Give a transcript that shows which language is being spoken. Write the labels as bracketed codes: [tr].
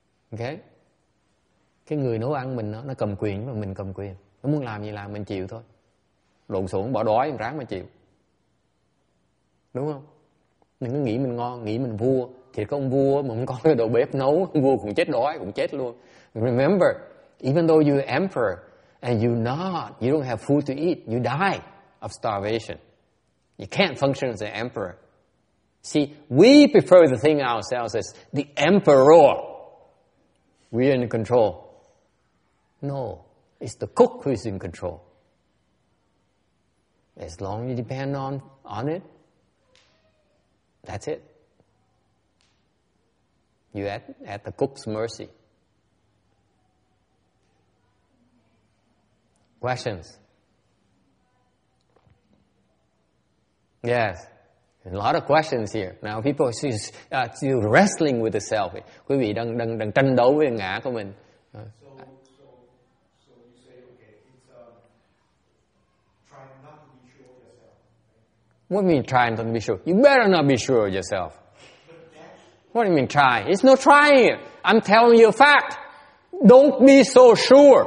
[vi] Ok, cái người nấu ăn mình nó cầm quyền, mà mình cầm quyền. Nó muốn làm gì làm, mình chịu thôi. Lộn xộn bỏ đói ráng mà chịu. Đúng không? Đừng có nghĩ mình ngon, nghĩ mình vua. Thì có ông vua mà không có cái đầu bếp nấu, ông vua cũng chết đói, cũng chết luôn. [en] Remember, even though you're emperor and you don't have food to eat, you die of starvation. You can't function as an emperor. See, we prefer to think ourselves as the emperor. We are in control. No, it's the cook who is in control. As long as you depend on it, that's it. You at the cook's mercy. Questions? Yes. A lot of questions here. Now people are still wrestling with the self. [vi] Quý vị đang tranh đấu với ngã của mình. [en] So you say, okay, it's trying not to be sure of yourself. Right? What do you mean trying not to be sure? You better not be sure of yourself. What do you mean try? It's no trying. I'm telling you a fact. Don't be so sure.